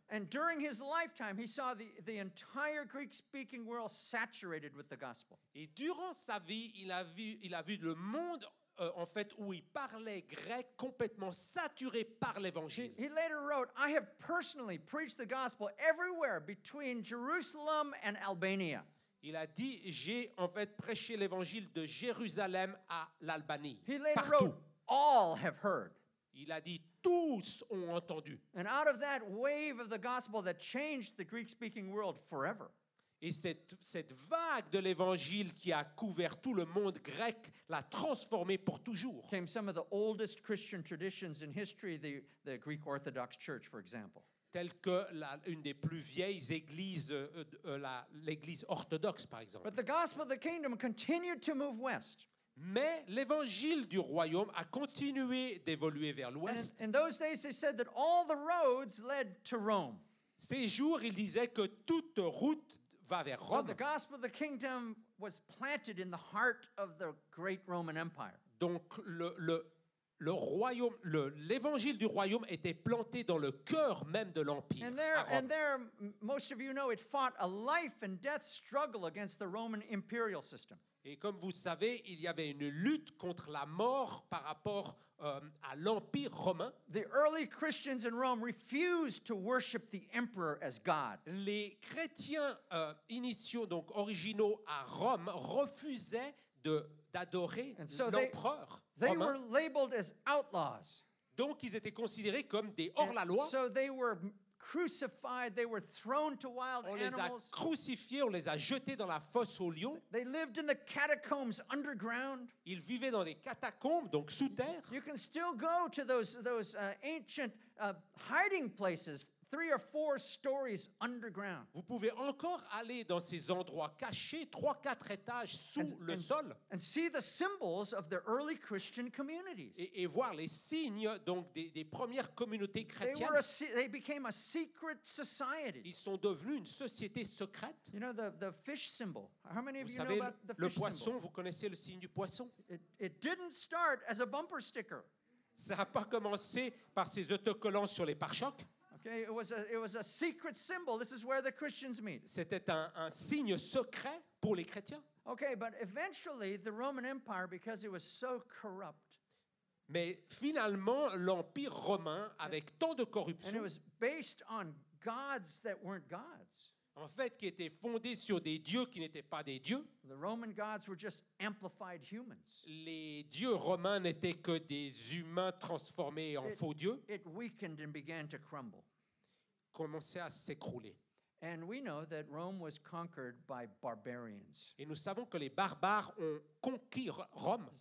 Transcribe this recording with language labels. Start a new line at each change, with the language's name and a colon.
English: And during his lifetime, he saw the entire Greek-speaking world saturated with the gospel.
French: Et durant sa vie, il a vu le monde en fait, où il parlait grec complètement saturé par l'évangile.
English: He later wrote, "I have personally preached the gospel everywhere between Jerusalem and Albania."
French: Il a dit, j'ai en fait prêché l'évangile de Jérusalem à l'Albanie.
English: He later
French: partout.
English: Wrote, "All have heard."
French: Il a dit, tous ont entendu.
English: And out of that wave of the gospel that changed the Greek-speaking world forever.
French: Et cette vague de l'évangile qui a couvert tout le monde grec l'a transformé pour toujours.
English: Came some of the oldest Christian traditions in history, the Greek Orthodox Church, for example.
French: Telle que une des plus vieilles églises, l'église orthodoxe, par exemple.
English: But the gospel of the kingdom continued to move west.
French: Mais l'évangile du royaume a continué d'évoluer vers l'ouest.
English: And in those days, they said that all the roads led to Rome.
French: Ces jours, ils disaient que toute route va vers Rome.
English: So the gospel of the kingdom was planted in the heart of the great Roman Empire.
French: Donc le royaume, l'évangile du royaume était planté dans le cœur même de l'empire.
English: And there, most of you know, it fought a life and death struggle against the Roman imperial system.
French: Et comme vous savez, il y avait une lutte contre la mort par rapport à l'Empire romain.
English: The early Christians in Rome refused to worship the emperor as God.
French: Les chrétiens initiaux, donc originaux à Rome, refusaient d'adorer l'empereur romain.
English: They were labeled as outlaws.
French: Donc ils étaient considérés comme des hors-la-loi.
English: So they were crucified, they were thrown to wild animals.
French: On les a crucifiés, on les a jetés dans la fosse aux lions.
English: They lived in the catacombs underground.
French: Ils vivaient dans les catacombes, donc sous terre.
English: You can still go to those ancient hiding places, 3 or 4 stories underground.
French: Vous pouvez encore aller dans ces endroits cachés, 3-4 étages sous le sol.
English: And see the symbols of the early Christian communities.
French: Et voir les signes donc des premières communautés chrétiennes.
English: They became a secret society.
French: Ils sont devenus une société secrète.
English: You know the fish symbol. How many of
French: vous
English: you know about the fish
French: le poisson,
English: symbol?
French: Vous connaissez le signe du poisson?
English: It didn't start as a bumper sticker.
French: Ça n'a pas commencé par ces autocollants sur les pare-chocs.
English: Okay, it was a secret symbol. This is where the Christians meet.
French: C'était un signe secret pour les chrétiens.
English: Okay, but eventually the Roman Empire, because it was so corrupt.
French: Mais finalement l'Empire romain avec tant de corruption.
English: And it was based on gods that weren't gods.
French: En fait, qui était fondé sur des dieux qui n'étaient pas des dieux.
English: The Roman gods were just amplified humans.
French: Les dieux romains n'étaient que des humains transformés en faux dieux.
English: It weakened and began to crumble.
French: Commençait à s'écrouler.
English: And we know that Rome was conquered by barbarians.
French: Et nous savons que les barbares ont conquis Rome.